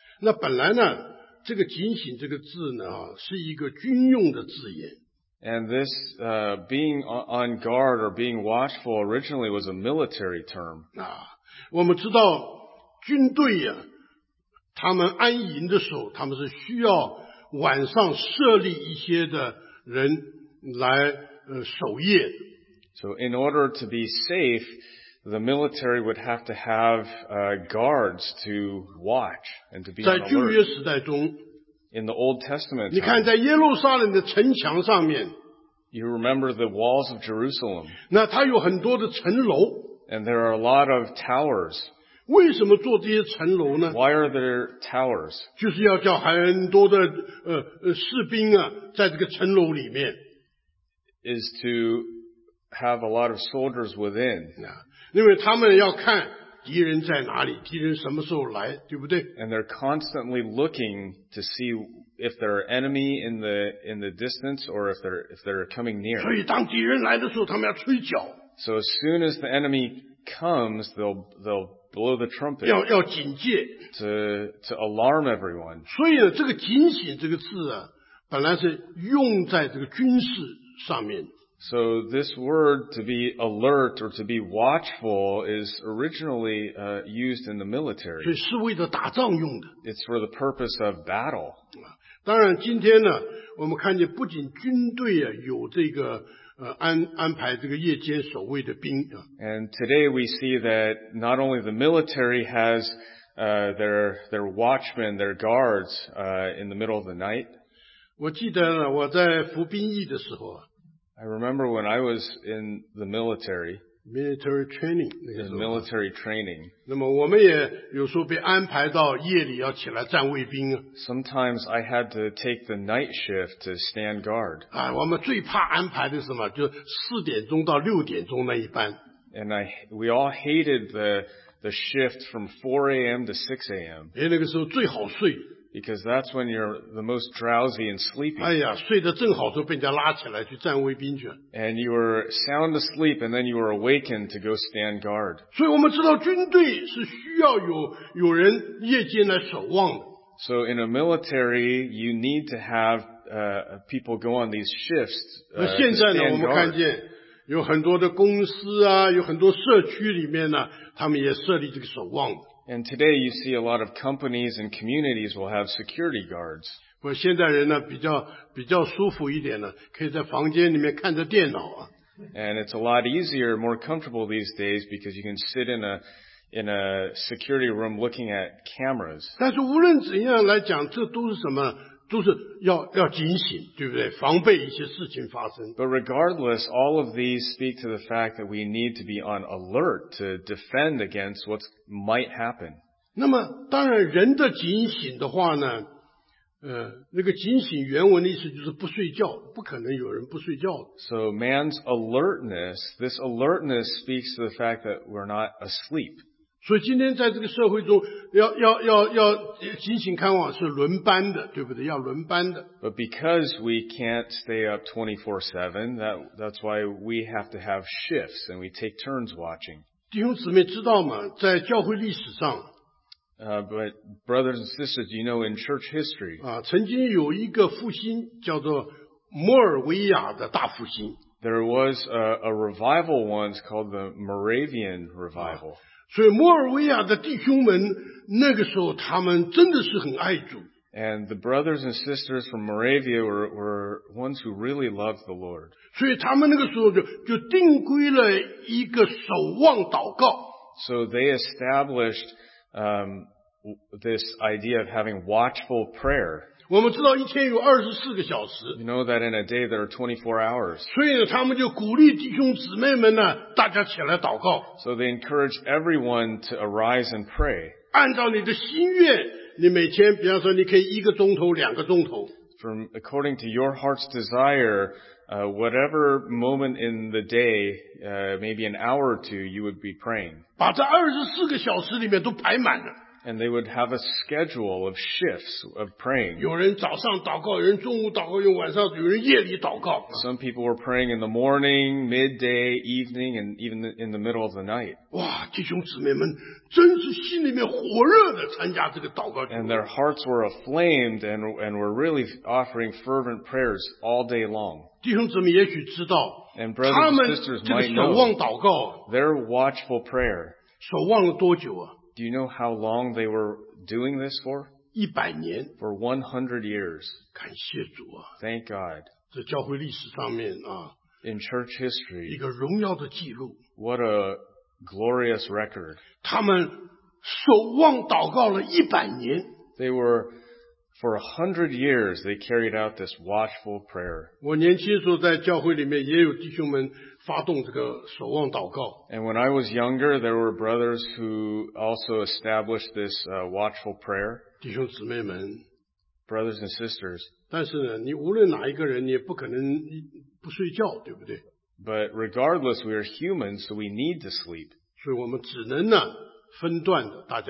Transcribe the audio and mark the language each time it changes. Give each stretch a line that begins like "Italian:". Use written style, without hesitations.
Chinese: 那本来呢, 这个警醒这个字呢, 是一个军用的字眼。
English: And this being on guard or being watchful originally was a military term.
Chinese: 啊, 我们知道军队啊,他们安营的时候,他们是需要晚上设立一些的人来守夜。
English: So in order to be safe, the military would have to have guards to watch and to be on alert.
Chinese: 在旧约时代中,
English: in the Old Testament,
Chinese: 你看在耶路撒冷的城墙上面,
English: you remember the walls of Jerusalem.
Chinese: 那它有很多的城楼,
English: and there are a lot of towers.
Chinese: 为什么做这些城楼呢？
English: Why are there towers?
Chinese: 就是要叫很多的士兵啊，在这个城楼里面。
English: Is to have a lot of soldiers within.
Chinese: 因为他们要看敌人在哪里，敌人什么时候来，对不对？
English: And they're constantly looking to see if there are enemy in the distance or if they're coming near.
Chinese: 所以当敌人来的时候，他们要吹角。
English: So as soon as the enemy comes, they'll blow the trumpet.
Chinese: 要警戒。
English: To alarm everyone.
Chinese: 所以呢，这个警醒这个字啊，本来是用在这个军事上面。
English: So this word to be alert or to be watchful is originally used in the military.
Chinese: 所以是为了打仗用的。
English: It's for the purpose of battle.
Chinese: 当然今天呢，我们看见不仅军队啊有这个安排这个夜间守卫的兵啊。
English: And today we see that not only the military has their watchmen, their guards in the middle of the night.
Chinese: 我记得呢，我在服兵役的时候啊。
English: I remember when I was in the military. Military training. In military training.
Chinese: 那么我们也有时候被安排到夜里要起来站卫兵。
English: Sometimes I had to take the night shift to stand guard.
Chinese: 我们最怕安排的是什么？就四点钟到六点钟那一班。
English: And we all hated the shift from 4 a.m. to 6 a.m.
Chinese: 因为那个时候最好睡。
English: Because that's when you're the most drowsy and sleepy.
Chinese: 哎呀，睡得正好，就被人家拉起来去站卫兵去。
English: And you were sound asleep, and then you were awakened to go stand guard.
Chinese: 所以我们知道军队是需要有人夜间来守望的。
English: So in a military, you need to have people go on these shifts.
Chinese: 那现在呢，我们看见有很多的公司啊，有很多社区里面呢，他们也设立这个守望的。
English: And today you see a lot of companies and communities will have security guards.
Chinese: 不过现在人呢比较舒服一点呢，可以在房间里面看着电脑啊。
English: And it's a lot easier, more comfortable these days because you can sit in a security room looking at cameras.
Chinese: 但是无论怎样来讲，这都是什么？都是要警醒，对不对？防备一些事情发生。
English: But regardless, all of these speak to the fact that we need to be on alert to defend against what might happen.
Chinese: 那么当然人的警醒的话呢，那个警醒原文的意思就是不睡觉，不可能有人不睡觉。
English: So man's alertness, this alertness speaks to the fact that we're not asleep.
Chinese: 所以今天在这个社会中要警醒看望是轮班的，对不对？要轮班的。
English: But because we can't stay up 24/7, that's why we have to have shifts and we take turns watching.
Chinese: 弟兄姊妹知道吗？在教会历史上。
English: But brothers and sisters, you know in church history.
Chinese: 曾经有一个复兴叫做摩尔维亚的大复兴。
English: There was a revival once called the Moravian Revival.
Chinese: 所以摩尔维亚的弟兄们那个时候他们真的是很爱主。
English: And the brothers and sisters from Moravia were ones who really loved the Lord.
Chinese: 所以他们那个时候就定规了一个守望祷告。
English: So they established this idea of having watchful prayer.
Chinese: 我们知道一天有24个小时。
English: You know that in a day there are 24 hours.
Chinese: 所以呢他们就鼓励弟兄姊妹们呢大家起来祷告。
English: So they encourage everyone to arise and pray.
Chinese: 按照你的心愿，你每天比方说你可以一个钟头两个钟头。
English: From according to your heart's desire, whatever moment in the day, maybe an hour or two, you would be praying.
Chinese: 把这24个小时里面都排满了。
English: And they would have a schedule of shifts of praying.
Chinese: 有人早上祷告，有人中午祷告，有晚上，有人夜里祷告。
English: Some people were praying in the morning, midday, evening, and even in the middle of the night.
Chinese: 哇，弟兄姊妹们真是心里面火热的参加这个祷告。
English: And their hearts were aflamed and were really offering fervent prayers all day long.
Chinese: 弟兄姊妹也许知道，他们这个守望祷告。
English: Their watchful prayer.
Chinese: 守望了多久啊？
English: Do you know how long they were doing this for?
Chinese: 100年。
English: For 100 years.
Chinese: 感谢主啊。
English: Thank God.
Chinese: 这教会历史上面啊。
English: In church history.
Chinese: 一个荣耀的记录。
English: What a glorious record.
Chinese: 他们守望祷告了100年。
English: They were, for 100 years, they carried out this watchful prayer.
Chinese: 我年轻时候在教会里面也有弟兄们
English: And when I was younger, there were brothers who also established this watchful prayer.
Chinese: 弟兄姊妹们,
English: brothers and sisters.
Chinese: 但是呢, 你无论哪一个人, 你不可能不睡觉,
English: but regardless, we are human, so we need to sleep.
Chinese: 所以我们只能呢, 分段的,